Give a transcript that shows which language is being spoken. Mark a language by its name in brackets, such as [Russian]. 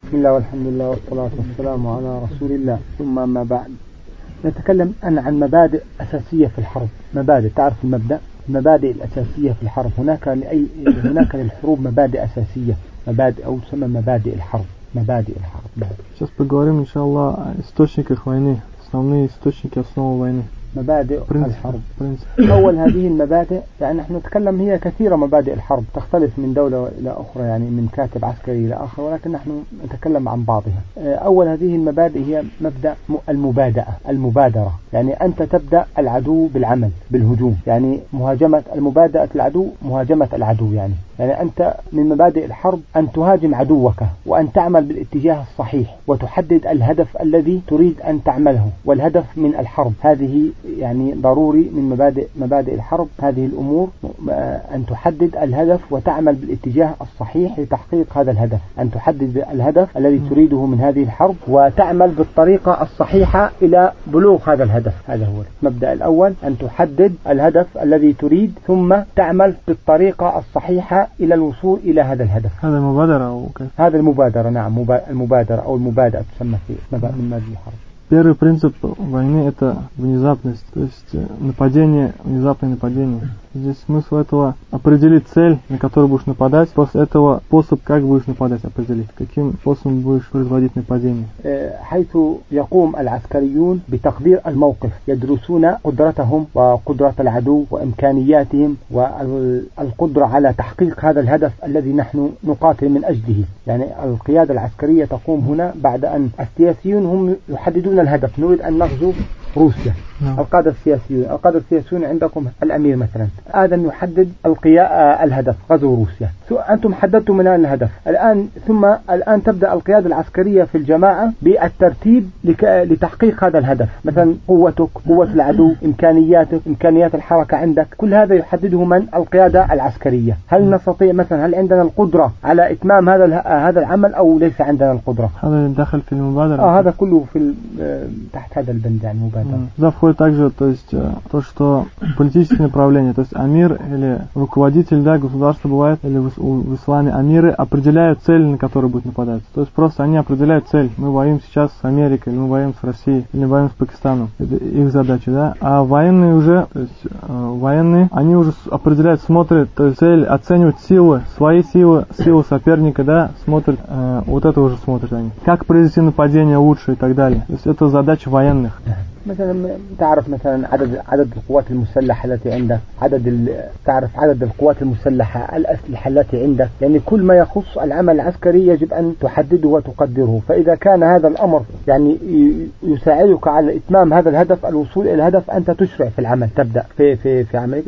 [Arabic] بسم الله والحمد لله والصلاة والسلام على رسول الله. ثم ما بعد، نتكلم أنا عن مبادئ أساسية في الحرب. مبادئ، تعرف المبدأ، المبادئ الأساسية في الحرب. هناك لأي، هناك للحروب مبادئ أساسية، مبادئ أو تسمى مبادئ الحرب. مبادئ الحرب. [Russian] Сейчас поговорим, иншаллах, о источниках войны, основные источники основы войны. [Arabic] مبادئ الحرب. أول هذه المبادئ، يعني نحن نتكلم، هي كثيرة مبادئ الحرب تختلف من دولة إلى أخرى، يعني من كاتب عسكري إلى آخر، ولكن نحن نتكلم عن بعضها. أول هذه المبادئ هي مبدأ المبادئة، المبادرة، يعني أنت تبدأ العدو بالعمل، بالهجوم، يعني مهاجمة، المبادئة العدو، مهاجمة العدو، يعني يعني أنت من مبادئ الحرب أن تهاجم عدوك وأن تعمل بالاتجاه الصحيح وتحدد الهدف الذي تريد أن تعمله والهدف من الحرب. هذه يعني ضروري من مبادئ الحرب، هذه الأمور، أن تحدد الهدف وتعمل بالاتجاه الصحيح لتحقيق هذا الهدف، أن تحدد الهدف الذي تريده من هذه الحرب وتعمل بالطريقة الصحيحة إلى بلوغ هذا الهدف. هذا هو المبدأ الأول، أن تحدد الهدف الذي تريد ثم تعمل بالطريقة الصحيحة إلى الوصول إلى هذا الهدف. هذا مبادرة أو كيف؟ هذا المبادرة، نعم، المبادرة أو المبادئة تسمى في مبادئ الحرب. [Russian] Первый принцип войны – это внезапность, то есть нападение, внезапное нападение. Здесь смысл этого – определить цель, на которую будешь нападать, после этого способ, как будешь нападать, определить, каким способом будешь производить нападение. [Arabic] حيث يقوم العسكريون بتقدير الموقف، يدرسون قدرتهم وقدرة العدو وإمكانياتهم والقدرة على تحقيق هذا الهدف الذي نحن نقاتل من أجله. يعني القيادة العسكرية تقوم هنا بعد أن السياسيون هم يحددون الهدف، نريد أن نغزو روسيا. القادة السياسيون، القادة السياسيون عندكم الأمير مثلا، آدم يحدد الهدف غزو روسيا، أنتم حددتم الآن الهدف، الآن ثم الآن تبدأ القيادة العسكرية في الجماعة بالترتيب لتحقيق هذا الهدف. مثلا قوتك، قوة العدو، إمكانياتك، إمكانيات الحركة عندك، كل هذا يحدده من؟ القيادة العسكرية. هل نستطيع مثلا، هل عندنا القدرة على إتمام هذا العمل أو ليس عندنا القدرة؟ هذا دخل في المبادرة. هذا كله في تحت هذا البند، يعني مبادرة. [Russian] Да, входит также, то есть то, что политическое направление, то есть амир или руководитель, да, государства бывает, или в исламе амиры определяют цель, на которую будет нападать. То есть просто они определяют цель. Мы воюем сейчас с Америкой, или мы воюем с Россией, или мы воюем с Пакистаном. Это их задача, да. А военные уже, то есть военные, они уже определяют, смотрят, то есть цель, оценивают силы, свои силы, силы соперника, да, смотрят, вот это уже смотрят они. Как произвести нападение лучше и так далее. То есть это задача военных. [Arabic] مثلا تعرف مثلا عدد القوات المسلحة التي عندك، تعرف عدد القوات المسلحة، الأسلحة التي عندك، يعني كل ما يخص العمل العسكري يجب أن تحدده وتقدره. فإذا كان هذا الأمر يعني يساعدك على إتمام هذا الهدف، الوصول إلى الهدف، أنت تشرع في العمل، تبدأ في عملك.